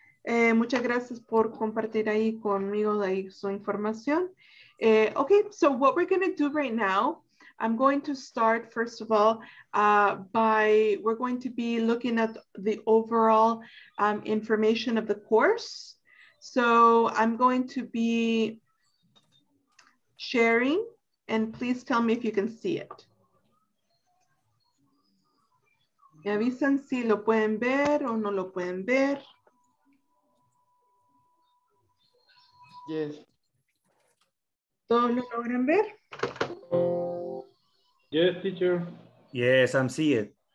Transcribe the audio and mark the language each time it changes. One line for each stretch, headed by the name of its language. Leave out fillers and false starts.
Spanish: Muchas gracias por compartir ahí conmigo ahí su información.
English: Ok, so what we're going to do right now, I'm going to start, first of all, we're going to be looking at the overall information of the course. So I'm going to be sharing, and please tell me if you can see it.
Spanish: Me avisan si lo pueden ver o no lo pueden ver.
English: Yes.
Spanish: ¿Todos lo logran ver?
English: Yes, teacher. Yes, I'm seeing it.